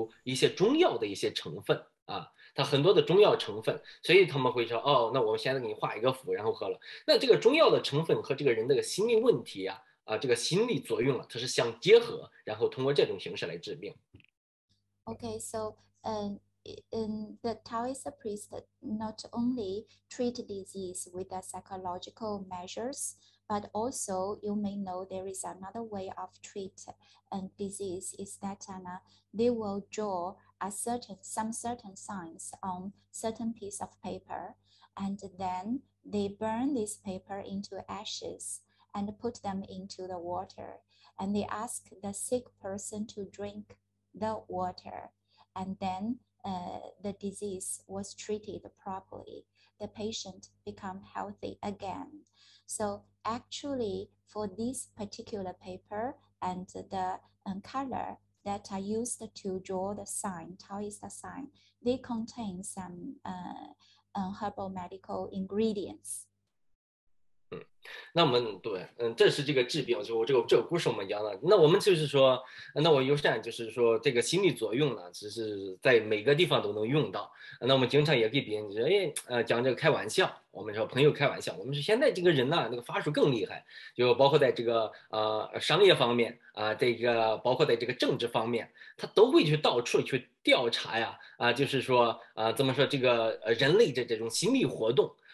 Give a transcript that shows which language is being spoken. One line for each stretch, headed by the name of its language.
Chinese: 那我们汉语讲故事，那道教这个法术它不光这一方面，或者用气功治病，那还有一个方面，他们就是说会用这个纸，就是我们在上面画一个东西，然后烧水喝了。但是道人一般用那个纸张啊，或者他们用的那个东西，就是画符的东西，它都有一些中药的一些成分啊。它很多的中药成分，所以他们会说，哦，那我们先给你画一个符，然后喝了。那这个中药的成分和这个人的心理问题啊，这个心理作用啊，它是相结合，然后通过这种形式来治病。
English: Okay, so the Taoist priest not only treat disease with the psychological measures, but also you may know there is another way of treat disease is that they will draw some certain signs on certain piece of paper, and then they burn this paper into ashes and put them into the water, and they ask the sick person to drink the water, and then the disease was treated properly. The patient become healthy again. So actually for this particular paper and the color that are used to draw the sign, Taoist sign, they contain some herbal medical ingredients.
Chinese: 那我们对，这是这个治病，就我这个故事我们讲的。那我们就是说，那我有善，就是说这个心理作用呢，只是在每个地方都能用到。那我们经常也给别人说，哎，讲这个开玩笑。我们说朋友开玩笑，我们说现在这个人呢，那个法术更厉害，就包括在这个商业方面啊，这个包括在这个政治方面，他都会去到处去调查呀，就是说怎么说这个人类的这种心理活动。